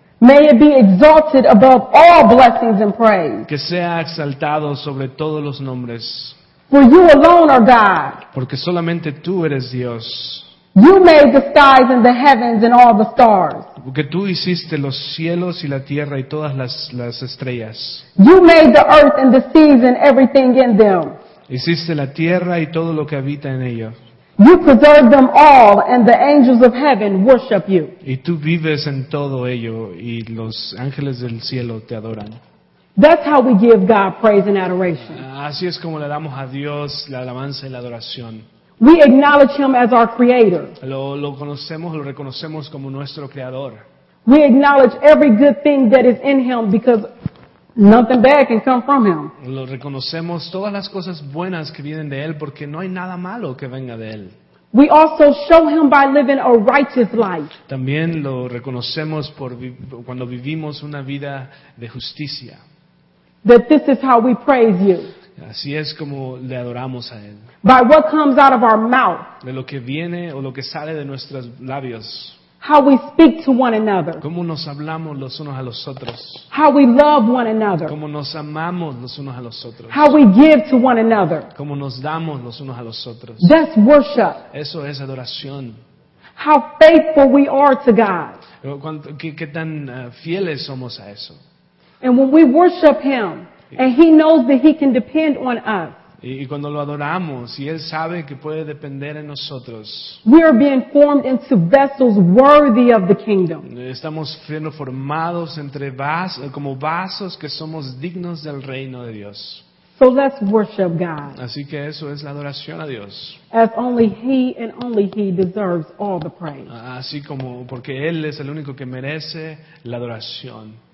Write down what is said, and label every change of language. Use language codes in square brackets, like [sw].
[en] May it be exalted above all blessings and praise. [es] Que sea exaltado sobre todos los nombres. [en] For you alone are God. [es] Porque solamente tú eres Dios. [en] You made the skies and the heavens and all the stars. [es] Porque tú hiciste los cielos y la tierra y todas las estrellas. [en] You made the earth and the seas and everything in them. [es] Hiciste la tierra y todo lo que habita en ellos. [en] You preserve them all and the angels of heaven worship you. [es] Y tú vives en todo ello y los ángeles del cielo te adoran. [en] That's how we give God praise and adoration. [es] Así es como le damos a Dios la alabanza y la adoración. [en] We acknowledge him as our creator. [es] Lo conocemos, lo reconocemos como nuestro creador. [en] We acknowledge every good thing that is in him because nothing bad can come from him. [es] Lo reconocemos todas las cosas buenas que vienen de él porque no hay nada malo que venga de él. [en] We also show him by living a righteous life. [es] También lo reconocemos por cuando vivimos una vida de justicia. [en] That this is how we praise you. [es] Así es como le adoramos a él. [en] By what comes out of our mouth. [es] De lo que viene o lo que sale de nuestros labios. [en] How we speak to one another. [es] Cómo nos hablamos los unos a los otros. [en] How we love one another. [es] Cómo nos amamos los unos a los otros. [en] How we give to one another. [es] Cómo nos damos los unos a los otros. [en] That's worship. [es] Eso es adoración. [en] How faithful we are to God. [es] Qué tan fieles somos a eso. [en] And when we worship him, and he knows that he can depend on us. [es] Y cuando lo adoramos, y él sabe que puede depender en nosotros. [en] We are being formed into vessels worthy of the kingdom. [es] Estamos siendo formados entre como vasos que somos dignos del reino de Dios. [en] So let's worship God. [es] Así que eso es la adoración a Dios. [en] As only he and only he deserves all the praise. [es] Así como porque él es el único que merece la adoración.